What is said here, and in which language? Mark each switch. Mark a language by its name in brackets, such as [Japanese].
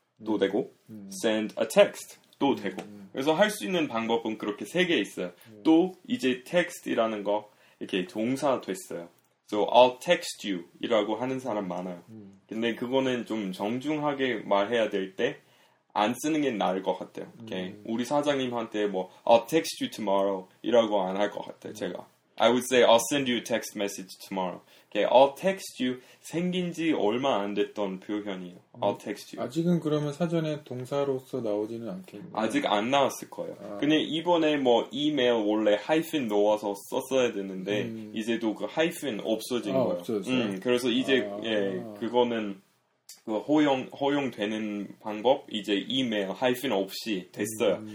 [Korean] 도 되고 send a text도 되고 그래서 할 수 있는 방법은 그렇게 세 개 있어요. 또 이제 text이라는 거 이렇게 동사 됐어요. So [English] I'll text you [Korean] 이라고 하는 사람 많아요. 근데 그거는 좀 정중하게 말해야 될 때 안 쓰는 게 나을 것 같아요. Okay? 우리 사장님한테 뭐 [English] I'll text you tomorrow [Korean] 이라고 안 할 것 같아요. 제가 [English] I would say I'll send you a text message tomorrow. Okay, I'll text you [Korean] 생긴 지 얼마 안 됐던 표현이에요. [English] I'll text you. [Korean] 아직은 그러면 사전에 동사로서 나오지는 않겠네요. 아직 안 나왔을 거예요. 아. 근데 이번에 뭐 이메일 원래 하이픈 넣어서 썼어야 되는데 이제도 그 하이픈 없어진 거예요. 없어졌어요? 그래서 이제 예, 그거는 그 허용되는 방법 이제 이메일 하이픈 없이 됐어요.